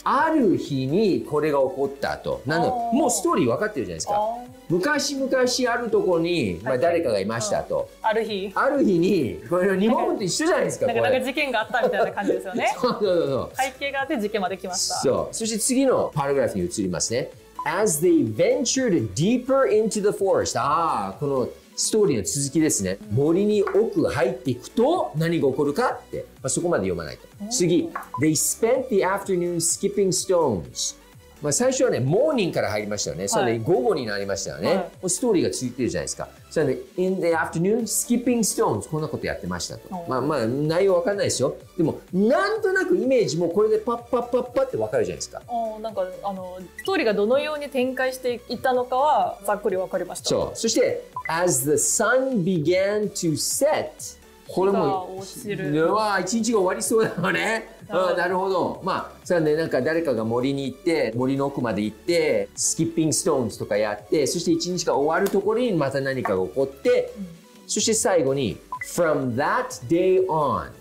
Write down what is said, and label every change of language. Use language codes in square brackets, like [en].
[ja] ある日にこれが起こったと。なので、もうストーリー分かってるじゃないですか。昔々あるところに、まあ、誰かがいましたと。はい、ある日。ある日に、これ日本と一緒じゃないですか。なんか、事件があったみたいな感じですよね。そうそうそう。背景があって事件まで来ました。そう。そして次のパラグラフに移りますね。 [en] As they ventured deeper into the forest. [ja] ああ、このストーリーの続きですね。森に奥入っていくと何が起こるかって、まあ、そこまで読まないと。 [en] 次、They spent the afternoon skipping stones。 [ja] まあ、最初はね、モーニングから入りましたよね。それで午後になりましたよね。はい、もうストーリーが続いてるじゃないですか。 [en] それで、In the afternoon skipping stones。 [ja] こんなことやってましたと。まあまあ、内容わかんないですよ。でも、なんとなくイメージもこれでパッパッパッパってわかるじゃないですか。なんか、ストーリーがどのように展開していったのかはざっくりわかりました。そう。 [en] そして、As the sun began to set、 [ja] これも、うわぁ、一日が終わりそうだよね。なるほど。まあ、それで、ね、なんか誰かが森に行って、森の奥まで行って、スキッピングストーンズとかやって、そして一日が終わるところにまた何かが起こって、うん、そして最後に、 [en] from that day on。